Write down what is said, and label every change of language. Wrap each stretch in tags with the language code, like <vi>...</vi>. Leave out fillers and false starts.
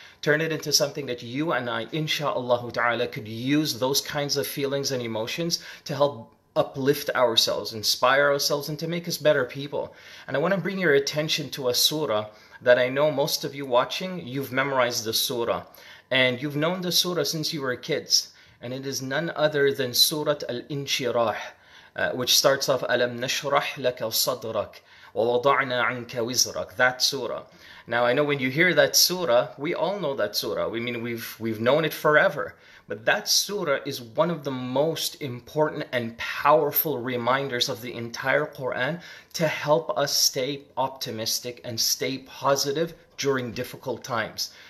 <en>Turn it into something that you and I, inshallah ta'ala, could use those kinds of feelings and emotions to help uplift ourselves, inspire ourselves, and to make us better people. And I want to bring your attention to a surah that I know most of you watching, you've memorized the surah. And you've known the surah since you were kids. And it is none other than Surah Al-Inshirah, which starts off, Alam nashrah laka sadrak.</en> <ar>وَوَضَعْنَا عَنْكَ وِزْرَكَ, that surah.</ar> <en>Now, I know when you hear that surah, we all know that surah. We mean we've known it forever. But that surah is one of the most important and powerful reminders of the entire Quran to help us stay optimistic and stay positive during difficult times.</en>